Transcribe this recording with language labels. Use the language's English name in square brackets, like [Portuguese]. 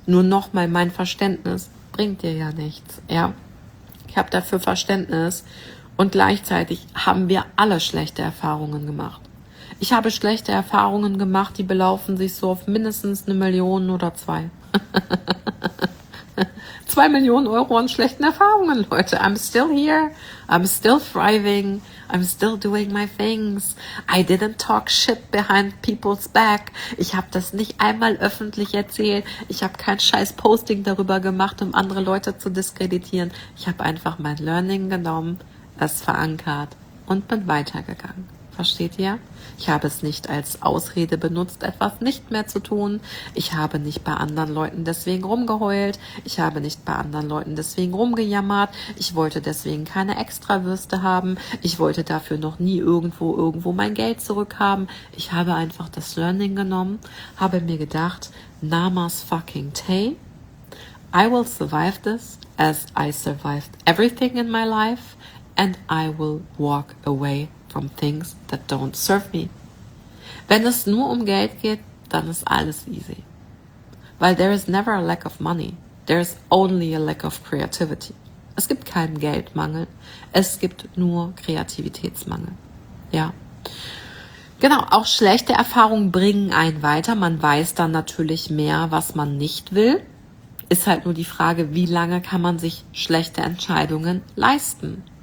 [German] Nur nochmal, mein Verständnis bringt dir ja nichts. Ja, ich habe dafür Verständnis und gleichzeitig haben wir alle schlechte Erfahrungen gemacht. Ich habe schlechte Erfahrungen gemacht, die belaufen sich so auf mindestens 1 Million oder 2. 2 Millionen Euro an schlechten Erfahrungen, Leute. [English] I'm still here. I'm still thriving. I'm still doing my things. I didn't talk shit behind people's back. [German] Ich habe das nicht einmal öffentlich erzählt. Ich habe kein scheiß Posting darüber gemacht, um andere Leute zu diskreditieren. Ich habe einfach mein Learning genommen, es verankert und bin weitergegangen. Versteht ihr? Ich habe es nicht als Ausrede benutzt, etwas nicht mehr zu tun. Ich habe nicht bei anderen Leuten deswegen rumgeheult. Ich habe nicht bei anderen Leuten deswegen rumgejammert. Ich wollte deswegen keine Extrawürste haben. Ich wollte dafür noch nie irgendwo mein Geld zurückhaben. Ich habe einfach das Learning genommen, habe mir gedacht, [English] Namas fucking Tay, I will survive this as I survived everything in my life and I will walk away from things that don't serve me. [German] Wenn es nur um Geld geht, dann ist alles easy. [English] Weil there is never a lack of money. There is only a lack of creativity. [German] Es gibt keinen Geldmangel. Es gibt nur Kreativitätsmangel. Ja. Genau, auch schlechte Erfahrungen bringen einen weiter. Man weiß dann natürlich mehr, was man nicht will. Ist halt nur die Frage, wie lange kann man sich schlechte Entscheidungen leisten?